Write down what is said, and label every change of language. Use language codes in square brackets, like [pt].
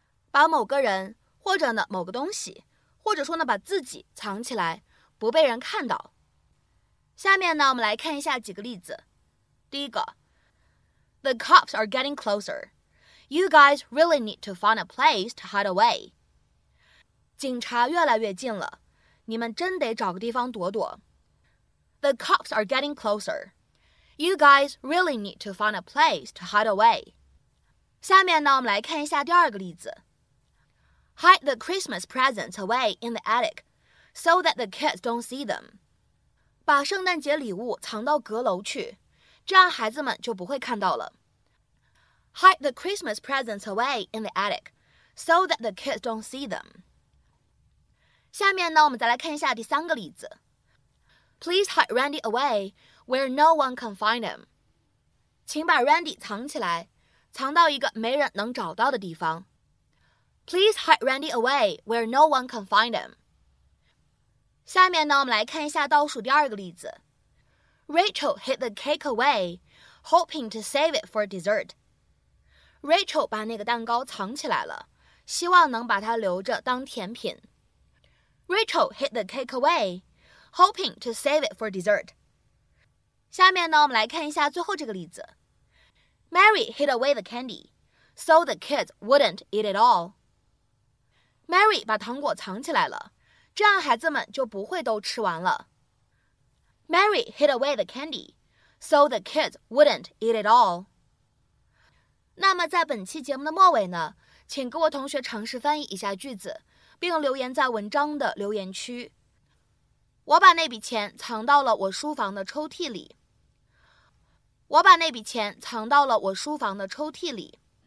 [zh] 把某个人或者呢某个东西或者说呢把自己藏起来不被人看到。下面呢我们来看一下几个例子。第一个 [en] The cops are getting closer. You guys really need to find a place to hide away. [zh] 警察越来越近了你们真得找个地方躲躲。 [en] The cops are getting closer. You guys really need to find a place to hide away. [zh] 下面呢我们来看一下第二个例子。 [en] Hide the Christmas presents away in the attic so that the kids don't see them. [zh] 把圣诞节礼物藏到阁楼去这样孩子们就不会看到了。 [en] Hide the Christmas presents away in the attic so that the kids don't see them. [zh] 下面呢我们再来看一下第三个例子。 [en] Please hide Randy away where no one can find him. [zh] 请把 Randy 藏起来藏到一个没人能找到的地方。 [en] Please hide Randy away where no one can find him. [zh] 下面呢我们来看一下倒数第二个例子。 [en] Rachel hid the cake away, hoping to save it for dessert. [zh] Rachel 把那个蛋糕藏起来了希望能把它留着当甜品。 [en] Rachel hid the cake away, hoping to save it for dessert. [zh] 下面呢我们来看一下最后这个例子。 [en] Mary hid away the candy, so the kids wouldn't eat it all. [zh] Mary 把糖果藏起来了这样孩子们就不会都吃完了。 [en] Mary hid away the candy, so the kids wouldn't eat it all. [zh] 那么在本期节目的末尾呢请各位同学尝试翻译一下句子并留言在文章的留言区。我把那笔钱藏到了我书房的抽屉里。我把那笔钱藏到了我书房的抽屉里。